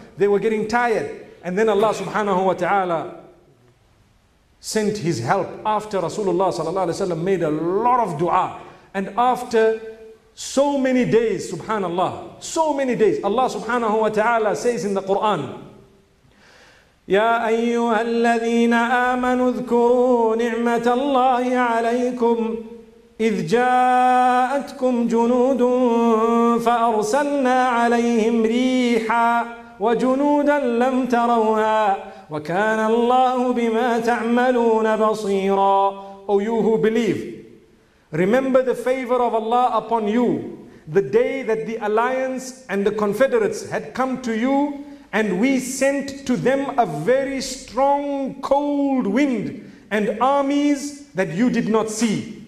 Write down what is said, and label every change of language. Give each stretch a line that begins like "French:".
English: They were getting tired. And then Allah subhanahu wa ta'ala sent his help after Rasulullah sallallahu alayhi wa sallam made a lot of dua. And after so many days, subhanallah, so many days, Allah subhanahu wa ta'ala says in the Quran,
Arabic: "Ya ayyuhal ladhina amanu dhkuru ni'matallahi alaykum إذ جاءتكم جنود فأرسلنا عليهم ريحا وجنودا لم تروها وكان الله بما تعملون بصيرا."
English: O you who believe, remember the favor of Allah upon you the day that the alliance and the confederates had come to you and we sent to them a very strong cold wind and armies that you did not see.